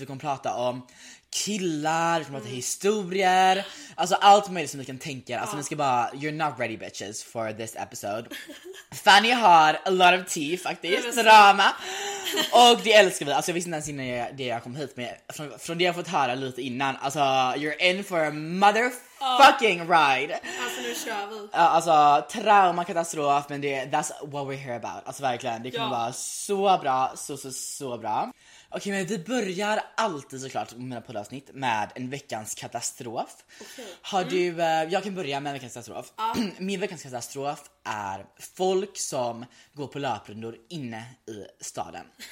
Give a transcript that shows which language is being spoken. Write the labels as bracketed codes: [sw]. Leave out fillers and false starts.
[sv] Vi kommer prata om killar, vi kommer prata historier. Alltså allt möjligt som vi kan tänka. Alltså ni ska bara, [en] you're not ready bitches for this episode. [sv] Fanny har [en] a lot of tea [sv] faktiskt, drama. Och det älskar vi. Alltså jag visste inte ens innan det jag kom hit med. Från det jag fått höra lite innan. Alltså [en] you're in for a motherfucking ride. [sv] Alltså nu kör vi. Alltså trauma, katastrof. Men det, [en] that's what we're here about. [sv] Alltså verkligen, det kommer vara så bra. Så bra. Okej, men vi börjar alltid såklart med mina poddavsnitt med en veckans katastrof. Okay. Har du, jag kan börja med en veckans katastrof. Min veckans katastrof är folk som går på löprundor inne i staden.